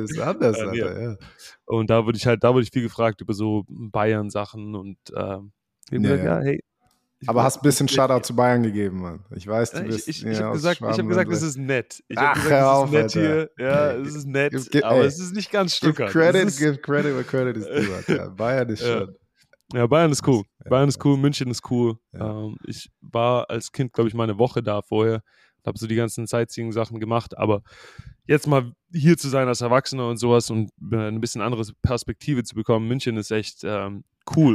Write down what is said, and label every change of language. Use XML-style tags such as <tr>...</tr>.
<de>Das ist anders, Alter, ja. Und da wurde ich viel gefragt über so Bayern-Sachen und hey. Aber hast ein bisschen Shoutout zu Bayern gegeben, Mann. Ich weiß, du bist... Ich hab gesagt, das ist nett. Ich hab gesagt, das ist nett, Alter. Ja, es ist nett, es ist nicht ganz Stuttgart.</de> <en>Give credit where credit is due, Alter.</en> <de>Bayern ist schon... Ja, Bayern ist cool. Bayern ist cool, München ist cool. Ja. Ich war als Kind, glaube ich, mal eine Woche da vorher. Habe so die ganzen Sightseeing-Sachen gemacht. Aber jetzt mal hier zu sein als Erwachsener und sowas und ein bisschen andere Perspektive zu bekommen, München ist echt cool.</de>